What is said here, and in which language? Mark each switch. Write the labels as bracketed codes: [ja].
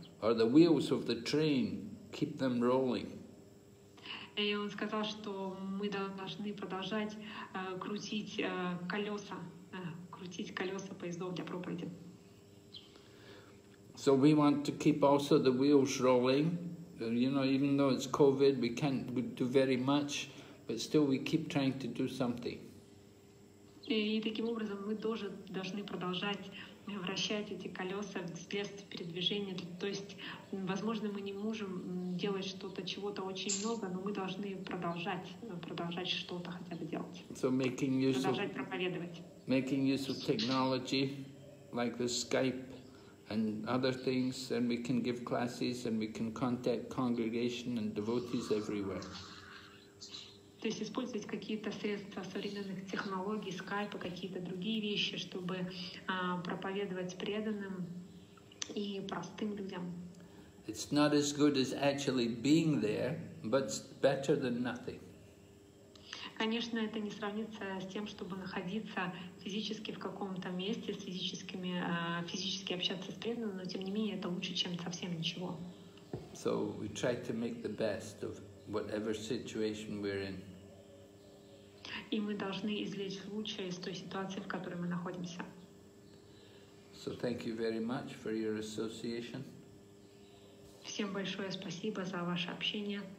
[en] Or the wheels of the train, keep them rolling. [ru] И он сказал, что мы должны продолжать крутить колеса поездов для проповеди. [en] So we want to keep also the wheels rolling. You know, even though it's COVID, we can't do very much, but still we keep trying to do something. [ru] И таким образом мы тоже должны продолжать вращать эти колеса средств передвижения. То есть, возможно, мы не можем делать что-то, чего-то очень много, но мы должны продолжать что-то хотя бы делать. [en] So making use [ru] продолжать [en] of, [ru] проповедовать. [en] Making use of technology, like the Skype and other things, and we can give classes and we can contact congregation and devotees everywhere. [ru] То есть использовать какие-то средства современных технологий, скайпа, какие-то другие вещи, чтобы проповедовать преданным и простым людям. [en] It's not as good as actually being there, but better than nothing. [ru] Конечно, это не сравнится с тем, чтобы находиться физически в каком-то месте, с физическими, физически общаться с преданным, но тем не менее это лучше, чем совсем ничего. [en] So we try to make the best of whatever situation we're in. [ru] И мы должны извлечь лучшее из той ситуации, в которой мы находимся. [en] So thank you very much for your association. [ru] Всем большое спасибо за ваше общение.